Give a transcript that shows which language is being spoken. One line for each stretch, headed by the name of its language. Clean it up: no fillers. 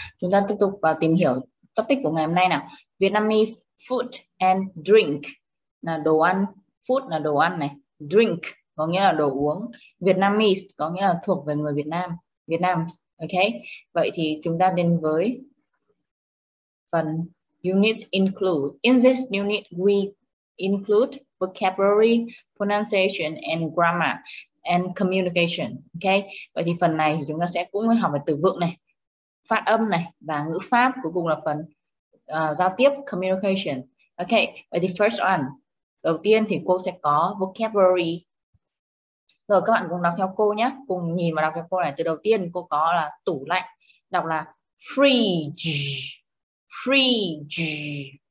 Vietnamese: Chúng ta tiếp tục vào tìm hiểu topic của ngày hôm nay nào.
English: Vietnamese food and drink
Vietnamese: là đồ ăn, food là đồ ăn này, drink có nghĩa là đồ uống, Vietnamese có nghĩa là thuộc về người Việt Nam, Vietnam. Ok, vậy thì chúng ta đến với phần Unit include.
English: In this unit we include vocabulary, pronunciation and grammar and communication.
Vietnamese: Ok, vậy thì phần này thì chúng ta sẽ cũng học về từ vựng này, phát âm này và ngữ pháp, cuối cùng là phần giao tiếp, communication. Ok, vậy thì
English: first one,
Vietnamese: đầu tiên thì cô sẽ có vocabulary. Rồi các bạn cùng đọc theo cô nhé, cùng nhìn và đọc theo cô này. Từ đầu tiên cô có là tủ lạnh, đọc là fridge, fridge.